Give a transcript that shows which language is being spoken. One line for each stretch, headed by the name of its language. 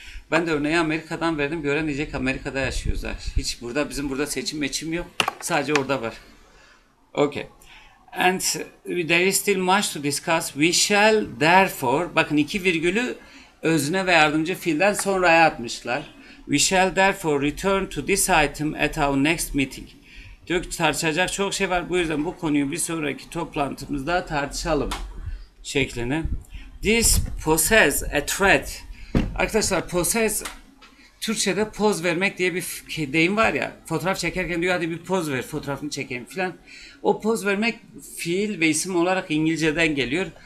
Turkish: Ben de örneği Amerika'dan verdim. Gören diyecek Amerika'da yaşıyorlar. Hiç burada, bizim burada seçim meçim yok. Sadece orada var. Okay.
English: And there is still much to discuss. We shall therefore,
Turkish: bakın iki virgülü özne ve yardımcı fiilden sonraya atmışlar.
English: We shall therefore return to this item at our next meeting.
Turkish: Diyor ki tartışacak çok şey var. Bu yüzden bu konuyu bir sonraki toplantımızda tartışalım şeklini.
English: This poses a threat.
Turkish: Arkadaşlar poses, Türkçe'de poz vermek diye bir deyim var ya. Fotoğraf çekerken diyor hadi bir poz ver, fotoğrafını çekeyim filan. O poz vermek fiil ve isim olarak İngilizce'den geliyor.